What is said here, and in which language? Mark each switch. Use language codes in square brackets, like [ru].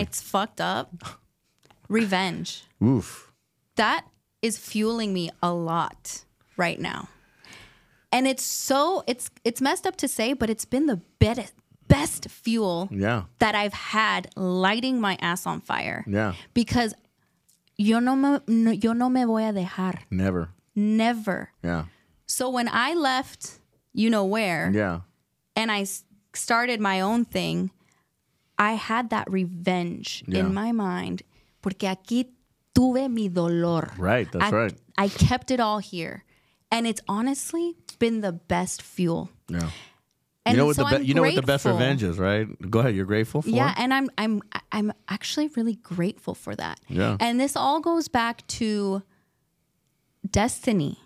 [en] And it's fucked up. Revenge. Oof. That is fueling me a lot right now, and it's messed up to say, but it's been the best fuel. Yeah. That I've had lighting my ass on fire. Yeah. Because [es] yo no me voy a dejar. [en] Never. Never. Yeah. So when I left, you know where. Yeah. And I started my own thing. I had that revenge in my mind. [es] Porque aquí tuve mi dolor. [en] Right. That's right. I kept it all here. And it's honestly been the best fuel. Yeah. And you know what so you know what the best revenge is, right? Go ahead. You're grateful for. Yeah. And I'm actually really grateful for that. Yeah. And this all goes back to destiny.